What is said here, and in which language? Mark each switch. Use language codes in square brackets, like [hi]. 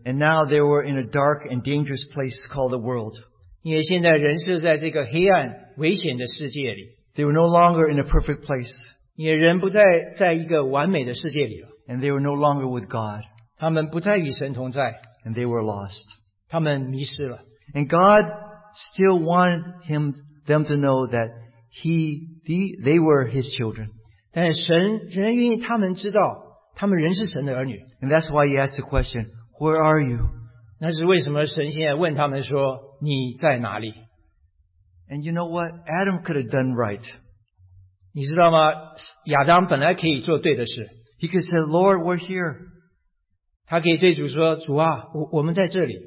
[en] And now they were in a dark and dangerous place called the world. [zh] 因为现在人是在这个黑暗危险的世界里。 [en] They were no longer in a perfect place. [zh] 也人不再在一个完美的世界里了。 [en] And they were no longer with God. [zh] 他们不再与神同在。 [en] And they were lost. [zh] 他们迷失了。 [en] And God still wanted them to know that they were His children. [zh] 但神仍愿意他们知道他们仍是神的儿女。 [en] And that's why He asked the question, "Where are you?" [zh] 那是为什么神现在问他们说你在哪里？ [en] And you know what? Adam could have done right. [zh] 你知道吗? 亚当本来可以做对的事。 [en] He could say, "Lord, we're here." [zh] 他可以对主说，主啊，我们在这里。